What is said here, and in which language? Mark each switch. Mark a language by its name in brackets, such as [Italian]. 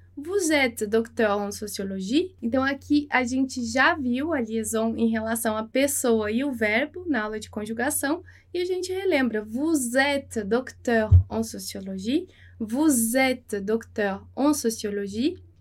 [French] Vous êtes docteur en sociologie? [Portuguese] Então, aqui a gente já viu a liaison em relação à pessoa e o verbo na aula de conjugação. E a gente relembra: [French] Vous êtes docteur en sociologie? Vous êtes docteur en sociologie?